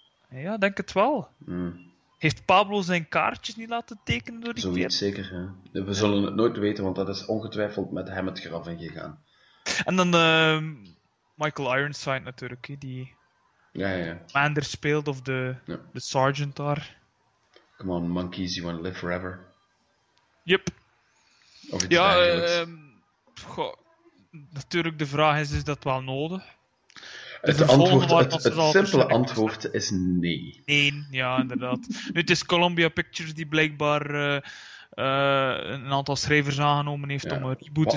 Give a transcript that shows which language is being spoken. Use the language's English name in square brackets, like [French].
[Dutch] Ja, denk het wel. Mm. Heeft Pablo zijn kaartjes niet laten tekenen door die Zoiets zeker, hè. We zullen het nooit weten, want dat is ongetwijfeld met hem het graf in gegaan. En dan Michael Ironside natuurlijk, die... Ja. Mander speelt of de sergeant daar. [English] Come on, monkeys, you want to live forever. Yep. [Dutch] Of iets dergelijks. Natuurlijk, de vraag is dat wel nodig? Het simpele antwoord is nee. Nee, ja, inderdaad. Nu, het is Columbia Pictures die blijkbaar een aantal schrijvers aangenomen heeft om een reboot te